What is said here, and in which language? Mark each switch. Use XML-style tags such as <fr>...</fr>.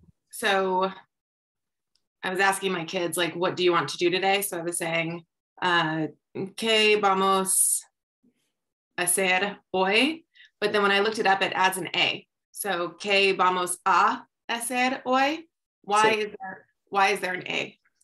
<en>So I was asking my kids, like, what do you want to do today? So I was saying,</en> <es>¿qué vamos a hacer hoy?</es> <en>But then when I looked it up, it adds an A. So</en> <es>¿qué vamos a hacer hoy?</es> <en>Why is there an A?</en>